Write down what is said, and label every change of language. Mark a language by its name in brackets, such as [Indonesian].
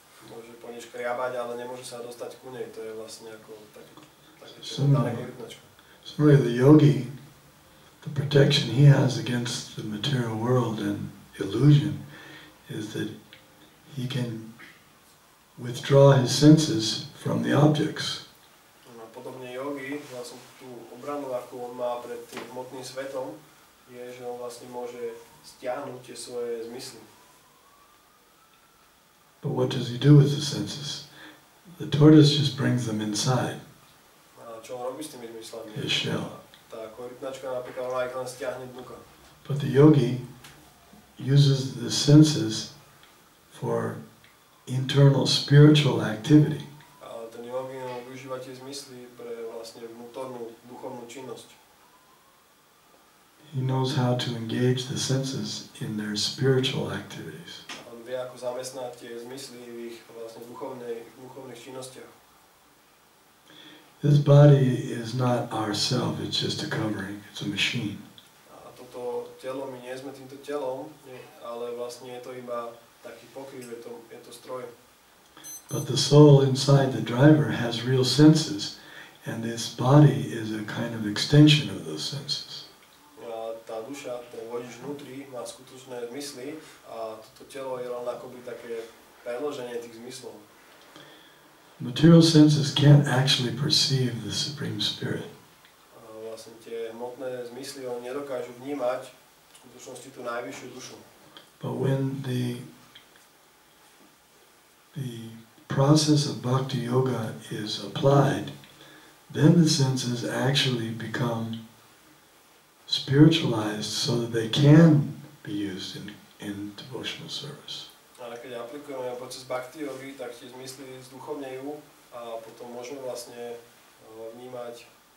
[Slovak] Môže po nej škriabať, ale nemôže sa dostať ku nej. To je vlastne ako také korytnačko. [English] So really the yogi, the protection he has against the material world and illusion is that he can withdraw his senses from the objects. [Slovak] No, podobne yogi, vlastne tú obranu, akú on má pred tým hmotným svetom, je, že on vlastne môže stiahnuť tie svoje zmysly. [English] But what does he do with the senses? The tortoise just brings them inside. [Slovak] Čo on robí s tými zmyslami? [English] His shell. [Slovak] Tá korytnačka napríklad ona ich len stiahne dnuka. [English] But the yogi uses the senses for internal spiritual activity. [Slovak] Ale ten yogi využíva tie zmysly pre vlastne vnútornú duchovnú činnosť. [English] He knows how to engage the senses in their spiritual activities. [Slovak] Vie, ako zamestnať tie zmysly v ich vlastne duchovných činnostiach. [English] This body is not ourself, it's just a covering, it's a machine. [Slovak] A toto telo, my nie sme týmto telom, nie, ale vlastne je to iba taký pokryv, je to stroj. [English] But the soul inside the driver has real senses, and this body is a kind of extension of those senses. [Slovak] Tá duša, ten vodič vnútri, má skutočné zmysly a toto telo je len akoby také predloženie tých zmyslov. [English] Material senses can't actually perceive the Supreme Spirit. [Slovak] A vlastne tie hmotné zmysly, oni nedokážu vnímať v skutočnosti tú najvyššiu dušu. [English] But when the process of bhakti yoga is applied, then the senses actually become spiritualized so that they can be used in devotional service. [Slovak] Ale keď aplikujeme proces bhakti yogi, tak tie zmysly zduchovňujú a potom môžeme vlastne vnímať,